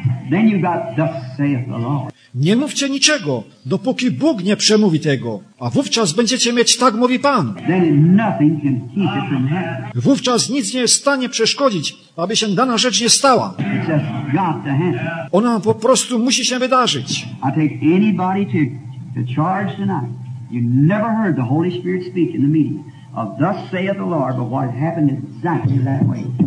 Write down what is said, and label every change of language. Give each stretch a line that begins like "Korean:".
English: Then you've got, thus saith the Lord.
Polish: Nie mówcie niczego, dopóki Bóg nie przemówi tego, a wówczas będziecie mieć tak mówi Pan.
English: Then nothing can keep it from happening.
Polish: Wówczas nic nie jest w stanie przeszkodzić, aby się dana rzecz nie stała.
English: It's just got to happen.
Polish: Ona po prostu musi się wydarzyć.
English: I take anybody to charge tonight. You never heard the Holy Spirit speak in the meeting of thus saith the Lord, but what happened is exactly that way.